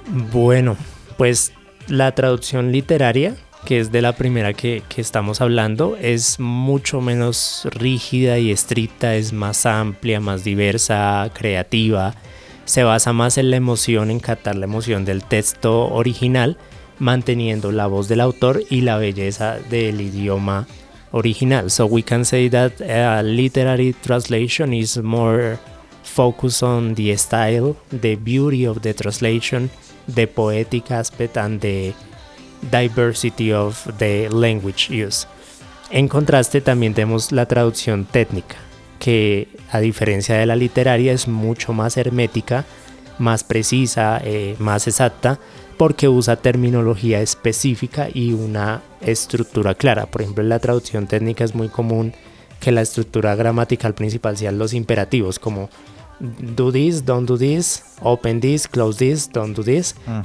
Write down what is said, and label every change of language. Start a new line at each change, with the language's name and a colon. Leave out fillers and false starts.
Spanish: Bueno, pues la traducción literaria, que es de la primera que estamos hablando, es mucho menos rígida y estricta, es más amplia, más diversa, creativa. Se basa más en la emoción, en captar la emoción del texto original, manteniendo la voz del autor y la belleza del idioma original.
English: So we can say that literary translation is more focused on the style, the beauty of the translation, the poetic aspect and the diversity of the language use.
Spanish: En contraste, también tenemos la traducción técnica, que a diferencia de la literaria es mucho más hermética, más precisa, más exacta, porque usa terminología específica y una estructura clara. Por ejemplo, en la traducción técnica es muy común que la estructura gramatical principal sean los imperativos, como
English: do this, don't do this,
Spanish: open this, close this, don't do this. Uh-huh.